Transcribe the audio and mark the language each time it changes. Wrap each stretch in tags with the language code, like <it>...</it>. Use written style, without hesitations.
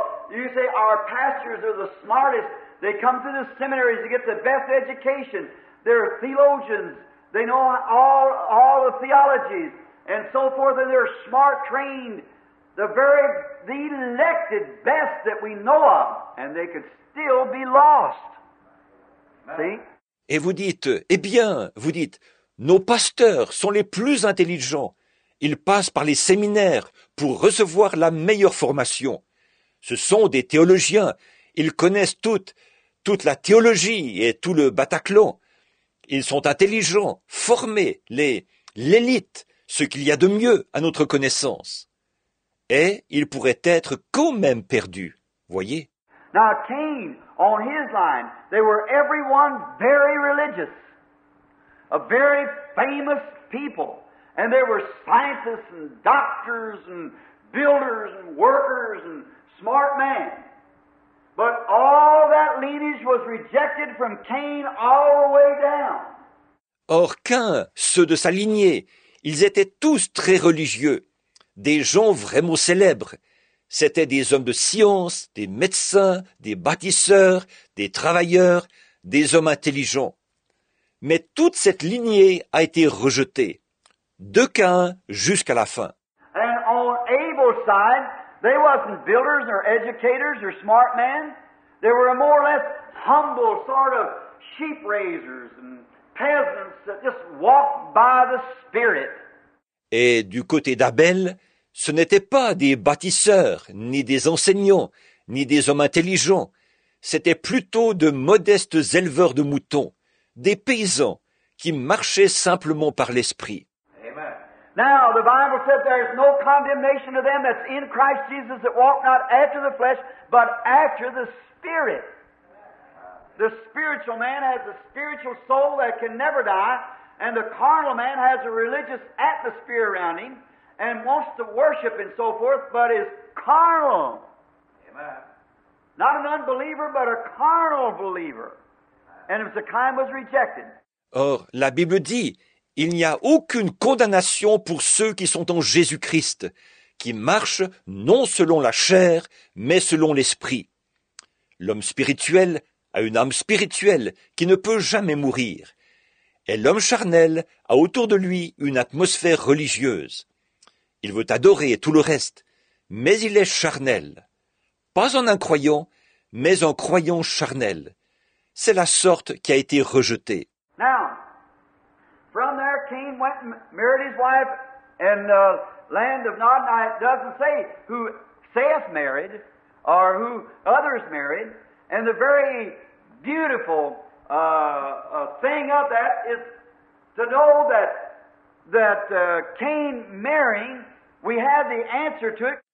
<en>You say our pastors are the smartest. They come to the seminaries to get the best education. They're theologians. They know all the theologies and so forth, and they're smart, trained, the elected best that we know of, and they could still be lost. See?</en> <fr>Et vous dites, eh bien, vous dites, nos pasteurs sont les plus intelligents. Ils passent par les séminaires pour recevoir la meilleure formation. Ce sont des théologiens. Ils connaissent toute la théologie et tout le Bataclan. Ils sont intelligents, formés, l'élite, ce qu'il y a de mieux à notre connaissance. Et ils pourraient être quand même perdus, voyez.</fr> <en>Now Cain, on his line, they were everyone very religious, a very famous people, and there were scientists and doctors and builders and workers and smart man. But all that lineage was rejected from Cain all the way down.</en> <fr>Or Cain, ceux de sa lignée, ils étaient tous très religieux, des gens vraiment célèbres. C'étaient des hommes de science, des médecins, des bâtisseurs, des travailleurs, des hommes intelligents. Mais toute cette lignée a été rejetée, de Cain jusqu'à la fin.</fr> <en>And on Abel's side, they wasn't builders or educators or smart men. They were a more or less humble sort of sheep raisers and peasants that just walked by the Spirit.</en> <fr>Et du côté d'Abel, ce n'étaient pas des bâtisseurs, ni des enseignants, ni des hommes intelligents. C'étaient plutôt de modestes éleveurs de moutons, des paysans qui marchaient simplement par l'Esprit.</fr> <en>Amen. Now, the Bible said there is no condemnation to them that's in Christ Jesus that walk not after the flesh, but after the Spirit. The spiritual man has a spiritual soul that can never die, and the carnal man has a religious atmosphere around him and wants to worship and so forth, but is carnal. Amen. Not an unbeliever, but a carnal believer. And if the kind was rejected.</en> <fr>Or, la Bible dit, il n'y a aucune condamnation pour ceux qui sont en Jésus-Christ, qui marchent non selon la chair, mais selon l'esprit. L'homme spirituel a une âme spirituelle qui ne peut jamais mourir. Et l'homme charnel a autour de lui une atmosphère religieuse. Il veut adorer et tout le reste, mais il est charnel. Pas en un croyant, mais en croyant charnel. C'est la sorte qui a été rejetée.</fr> <en>Now, from there Cain went and married his wife in the land of Nod. Now it doesn't say who saith married or who others married. And the very beautiful thing of that is to know that Cain marrying, we have the answer to it.</en>